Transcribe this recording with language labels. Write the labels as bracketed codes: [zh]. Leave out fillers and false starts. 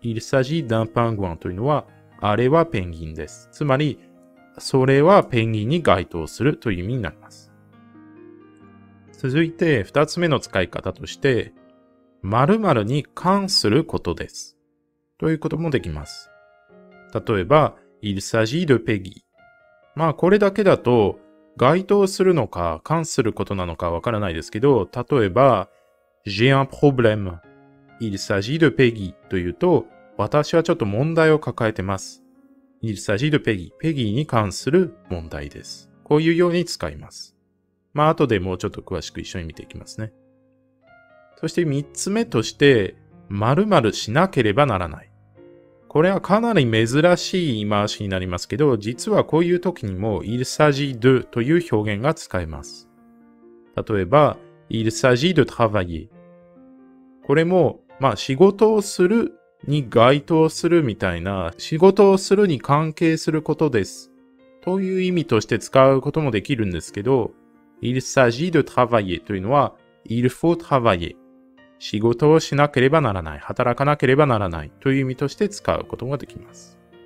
[fr] il s'agit d'un pingouin [ja] というのは、あれはペンギンです。つまり、それはペンギンに該当するという意味になります。続いて二つ目の使い方として、〇〇に関することです。ということもできます。例えば、 [fr] il s'agit de Peggy。 [ja] まあこれだけだと、該当するのか関することなのかわからないですけど、例えば、 [fr] j'ai un problème。 il s'agit de Peggy [ja] というと、私はちょっと問題を抱えてます。 [fr] il s'agit de Peggy。 [ja] ペギーに関する問題です。こういうように使います。まあ、後でもうちょっと詳しく一緒に見ていきますね。そして三つ目として、〇〇しなければならない。これはかなり珍しい言い回しになりますけど、実はこういう時にも、il s'agit de という表現が使えます。例えば、 [fr] il s'agit de travailler。 [ja] これも、まあ、仕事をするに該当するみたいな、仕事をするに関係することです。という意味として使うこともできるんですけど、 [fr] il s'agit de travailler [ja] というのは、 [fr] il faut travailler。 [ja] 仕事をしなければならない、働かなければならないという意味として使うことができます。